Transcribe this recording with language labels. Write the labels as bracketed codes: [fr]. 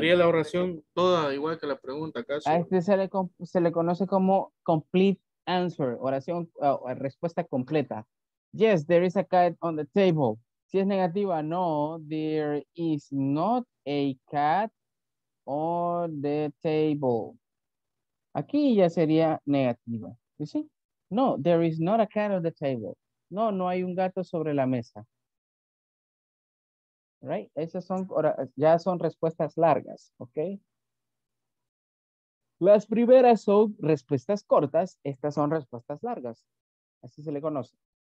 [es] Sería la oración toda igual que la pregunta, ¿acaso? A este se le conoce como complete answer, oración, respuesta completa. [en] Yes, there is a cat on the table. [es] Si es negativa, [en] no, there is not a cat on the table. [es] Aquí ya sería negativa. [en] You see? No, there is not a cat on the table. [es] No, no hay un gato sobre la mesa. Right? Esas son, ya son respuestas largas, ¿ok? Las primeras son respuestas cortas, estas son respuestas largas. Así se le conoce.